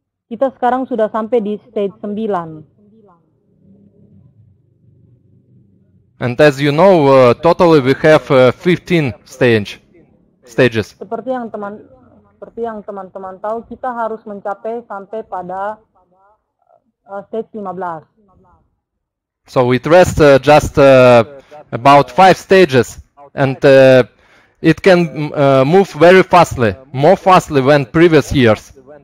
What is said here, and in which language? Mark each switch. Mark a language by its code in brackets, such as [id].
[id] Kita sekarang sudah sampai di stage 9. [en] And as you know, totally we have 15 stages. [id] Seperti yang teman-teman tahu, kita harus mencapai sampai pada stage 15. [en] So it rests just about 5 stages, and it can move very fastly, more fastly than previous years.